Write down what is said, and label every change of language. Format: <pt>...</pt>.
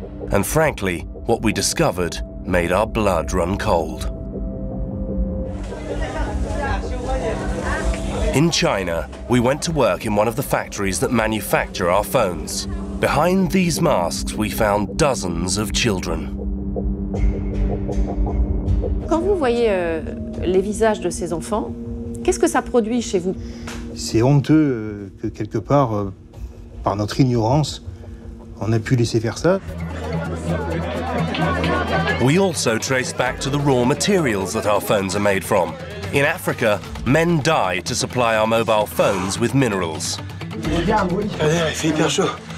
<en>And frankly, what we discovered made our blood run cold. In China, we went to work in one of the factories that manufacture our phones. Behind these masks, we found dozens of children.</en> <fr>Quand vous voyez les visages de ces enfants, qu'est-ce que ça produit chez vous? C'est honteux que quelque part, par notre ignorance, on a pu laisser faire ça.</fr> <en>We also trace back to the raw materials that our phones are made from. In Africa, men die to supply our mobile phones with minerals.</en> <fr>Allez, c'est hyper chaud.</fr>